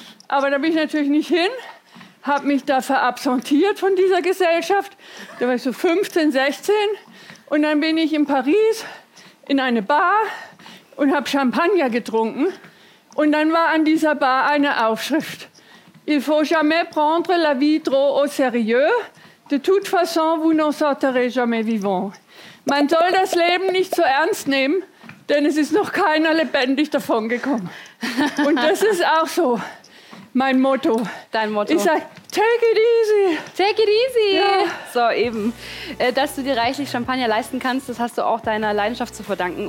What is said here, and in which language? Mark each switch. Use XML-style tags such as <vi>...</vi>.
<de>Aber da bin ich natürlich nicht hin. Hab mich da verabsentiert von dieser Gesellschaft. Da war ich so 15, 16. Und dann bin ich in Paris in eine Bar und hab Champagner getrunken. Und dann war an dieser Bar eine Aufschrift.</de> <fr>Il faut jamais prendre la vie trop au sérieux. De toute façon, vous n'en sortirez jamais vivant.</fr> <de>Man soll das Leben nicht so ernst nehmen, denn es ist noch keiner lebendig davon gekommen. Und das ist auch so. Mein Motto. Dein Motto. Ich sag,</de> <en>take it easy. Take it easy.</en> <de>Ja. So, eben. Dass du dir reichlich Champagner leisten kannst, das hast du auch deiner Leidenschaft zu verdanken.</de>